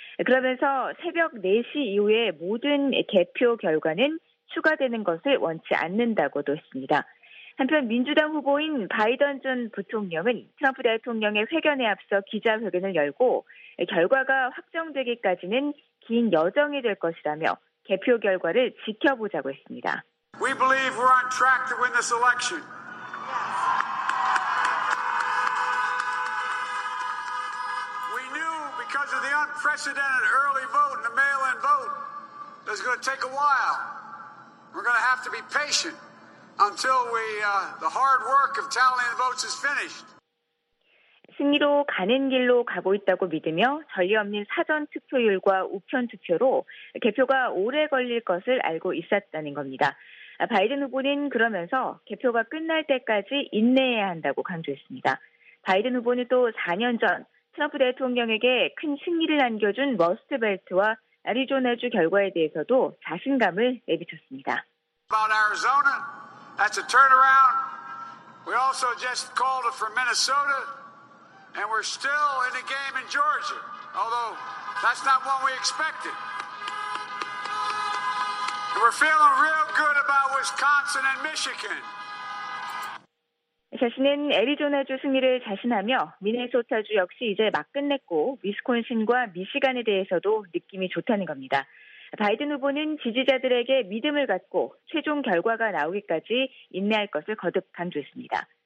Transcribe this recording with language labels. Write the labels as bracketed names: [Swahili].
[Korean] 그러면서 새벽 4시 이후에 모든 개표 결과는 추가되는 것을 원치 않는다고도 했습니다. 한편 민주당 후보인 바이든 전 부통령은 트럼프 대통령의 회견에 앞서 기자회견을 열고 결과가 확정되기까지는 긴 여정이 될 것이라며 개표 결과를 지켜보자고 했습니다. [English] We believe we're on track to win this election. We knew because of the unprecedented early vote and the mail-in vote that it's going to take a while. We're going to have to be patient. Until we, the hard work of tallying votes is finished. [Korean] 승리로 가는 길로 가고 있다고 믿으며 전례 없는 사전 투표율과 우편 투표로 개표가 오래 걸릴 것을 알고 있었다는 겁니다. 바이든 후보는 그러면서 개표가 끝날 때까지 인내해야 한다고 강조했습니다. 바이든 후보는 또 4년 전 트럼프 대통령에게 큰 승리를 안겨준 머스트벨트와 애리조나주 결과에 대해서도 자신감을 내비쳤습니다. [English] About Arizona. That's a turnaround. We also just called it for Minnesota, and we're still in the game in Georgia, although that's not what we expected. And we're feeling real good about Wisconsin and Michigan. [Korean] 자신은 애리조나주 승리를 자신하며 미네소타주 역시 이제 막 끝냈고 위스콘신과 미시간에 대해서도 느낌이 좋다는 겁니다. 바이든 후보는 지지자들에게 믿음을 갖고 최종 결과가 나오기까지 인내할 것을 거듭 강조했습니다.